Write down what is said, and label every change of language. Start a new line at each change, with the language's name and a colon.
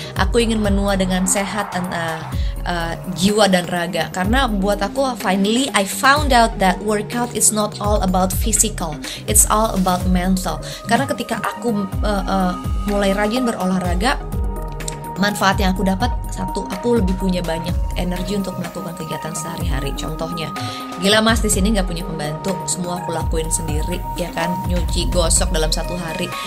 Indonesian: Aku ingin menua dengan sehat dan jiwa dan raga. Karena buat aku,
English: finally I found out that workout is not all about physical, it's all about mental.
Indonesian: Karena ketika aku mulai rajin berolahraga, manfaat yang aku dapat, satu, aku lebih punya banyak energi untuk melakukan kegiatan sehari-hari. Contohnya, gila mas, di sini nggak punya pembantu, semua aku lakuin sendiri, ya kan, nyuci, gosok dalam satu hari.